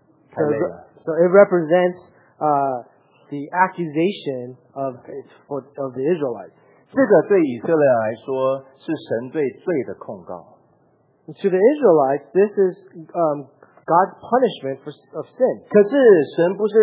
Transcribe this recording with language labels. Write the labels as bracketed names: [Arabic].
[English] so it represents the accusation of the Israelites. [Chinese] 这个对以色列来说是神对罪的控告。 [English] To the Israelites, this is God's punishment of sin.